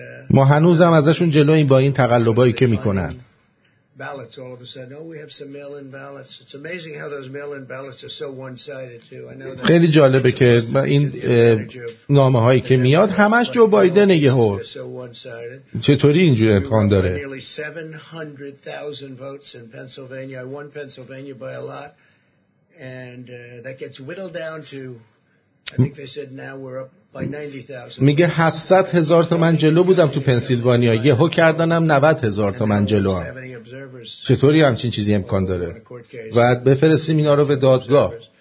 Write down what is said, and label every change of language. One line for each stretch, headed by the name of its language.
Persian: ما هنوز هم ازشون جلو این با این تقلبایی که میکنن.
English: Ballots all of a sudden. Oh, we have some mail-in ballots. It's amazing how those mail-in ballots are so one-sided too. I know that.
Persian: خیلی جالبه که این نامه‌هایی که میاد همش جو بایدن یه هو. چطوری اینجوری امکان داره؟
English: Nearly 700,000 votes in Pennsylvania. I won Pennsylvania by a lot, and that gets whittled down to. I think they said now we're up.
Persian: میگه 700 هزار تومن جلو بودم تو پنسیلوانیا، یهو کردنم 90 هزار تومن جلو هم. چطوری همچین چیزی امکان داره؟ بعد بفرستیم اینا رو به دادگاه.